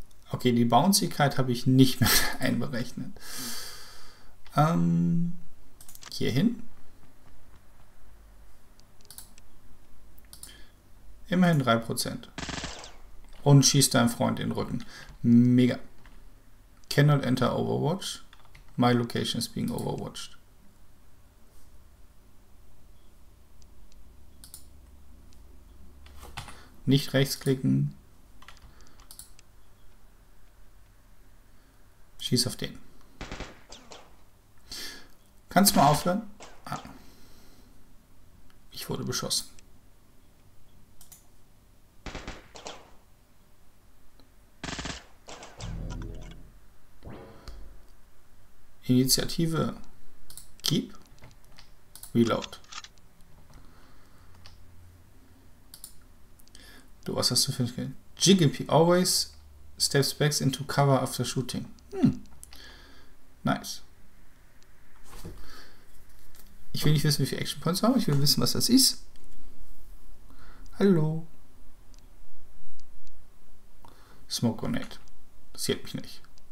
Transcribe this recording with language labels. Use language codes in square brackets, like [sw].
[de] Okay, die Bouncy-Kite habe ich nicht mehr einberechnet. Hierhin. Immerhin 3%. Und schießt deinem Freund in den Rücken. [en] Mega. Cannot enter Overwatch. My location is being overwatched. [de] Nicht rechtsklicken. Schieß auf den. Kannst du mal aufhören? Ah. Ich wurde beschossen. [en] Initiative. Keep. Reload. [de] Du, was hast du für ein... [en] Jigipi always steps back into cover after shooting. Nice. [de] Ich will nicht wissen, wie viele Action Points haben. Ich will wissen, was das ist. Hallo. Smoke Grenade. Das hält mich nicht.